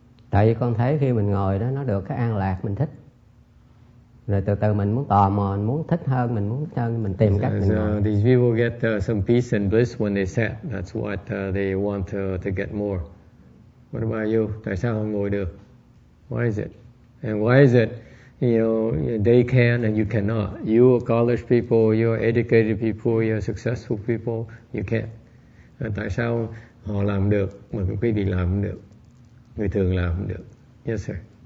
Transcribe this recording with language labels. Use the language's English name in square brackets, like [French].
[Vietnamese] Tại vì con thấy khi mình ngồi đó nó được cái an lạc mình thích. Rồi từ từ mình muốn tò mò, mình muốn thích hơn, mình muốn thích hơn, mình tìm cách mình ngồi. [English] These people get some peace and bliss when they sit. That's what they want to get more. What about you? [Vietnamese] Tại sao không ngồi được? [English] Why is it? And why is it, you know, they can and you cannot? You are college people, you are educated people, you are successful people, you can't. [Vietnamese] Tại sao họ làm được mà cái quý vị làm không được, người thường làm không được? [English] Yes sir.